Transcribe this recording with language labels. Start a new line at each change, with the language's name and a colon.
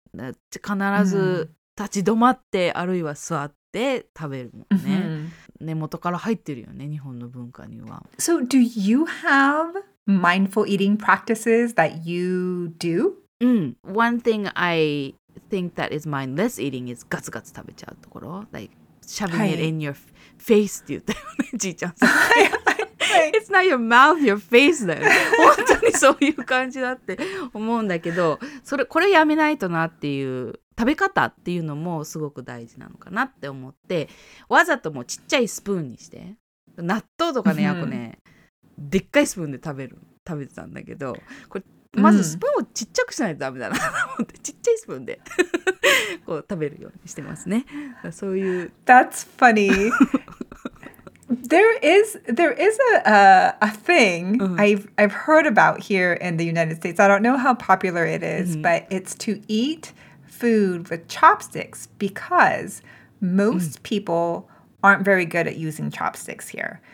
Japanese: 必ず立ち止まって、mm. あるいは座って食べるもんね。 Mm-hmm. 根元から入ってるよね、日本の文化には。
English: So do you have mindful eating practices that you do? One thing I think that is mindless eating is
Japanese: ガツガツ食べちゃうところ。
English: Like,shoving it in your face
Japanese: って言ったよね、じいちゃんさん。
English: It's not your mouth, your face だよ。
Japanese: 本当にそういう感じだって思うんだけど、それこれやめないとなっていう食べ方っていうのもすごく大事なのかなって思って、わざともうちっちゃいスプーンにして、納豆とかね、やっぱね、でっかいスプーンで食べてたんだけど、これまずスプーンをちっちゃくしないとダメだなと思って、ちっちゃいスプーンで。こう食べるようにしてますね。そういう。
English: That's funny. There is a thing I've heard about here in the United States. I don't know how popular it is, but it's to eat food with chopsticks because most people aren't very good at using chopsticks here.